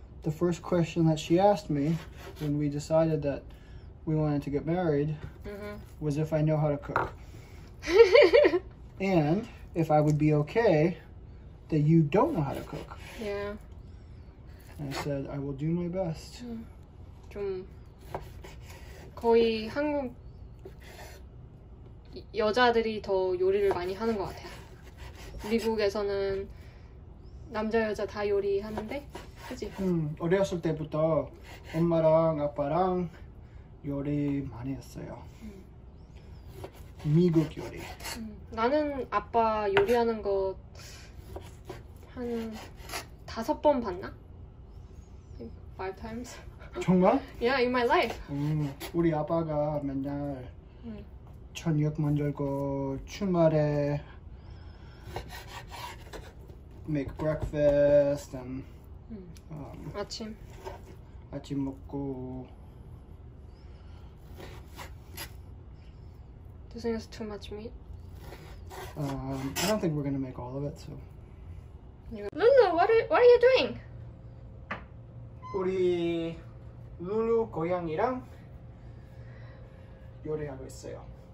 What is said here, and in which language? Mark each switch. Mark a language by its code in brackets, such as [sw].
[en] the first question that she asked me when we decided that we wanted to get married was if I know how to cook. And if I would be okay that you don't know how to cook. Yeah. And I said, I will do my best. [ko] 좀 거의 한국 여자들이 더 요리를 많이 하는 것 같아요. 미국에서는 남자 여자 다 요리하는데, 그치? 어렸을 때부터 엄마랑 아빠랑 요리 많이 했어요. 미국 요리. 나는 아빠 요리하는 거 한 다섯 번 봤나? [en] Five times. [ko] 정말? [en] Yeah, in my life. [ko] 우리 아빠가 맨날 저녁 만들고 주말에 [en] make breakfast and [ko] 아침 먹고. [en] 도 you think it's too much meat? I don't think we're gonna make all of it, so. Lulu, what are you doing? [ko] 우리 룰루 고양이랑 요리하고 있어요.